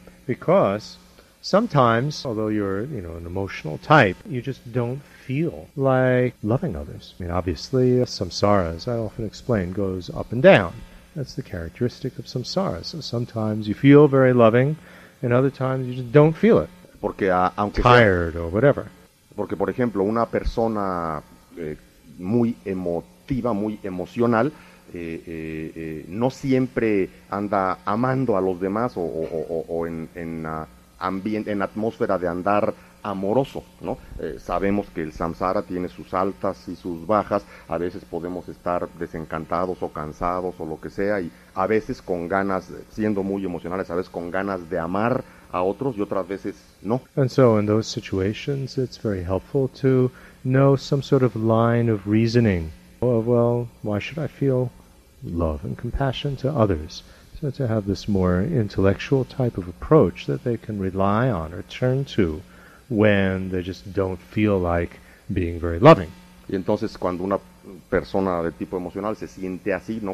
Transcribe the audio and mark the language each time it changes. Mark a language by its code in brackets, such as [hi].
[en] Because sometimes, although you're, you know, an emotional type, you just don't feel like loving others. I mean, obviously, samsara, as I often explain, goes up and down. That's the characteristic of samsara. So sometimes you feel very loving, and other times you just don't feel it. [es] Porque, aunque [en] tired or whatever. [es] Porque, por ejemplo, una persona muy emotiva, muy emocional, no siempre anda amando a los demás o en atmósfera de andar amoroso, ¿no? Sabemos que el samsara tiene sus altas y sus bajas, a veces podemos estar desencantados o cansados o lo que sea, y a veces con ganas, siendo muy emocionales, a veces con ganas de amar a otros y otras veces no. [en] And so in those situations it's very helpful to know some sort of line of reasoning. Well, why should I feel love and compassion to others? So to have this more intellectual type of approach that they can rely on or turn to when they just don't feel like being very loving. [es] Y entonces cuando una persona de tipo emocional se siente así, ¿no?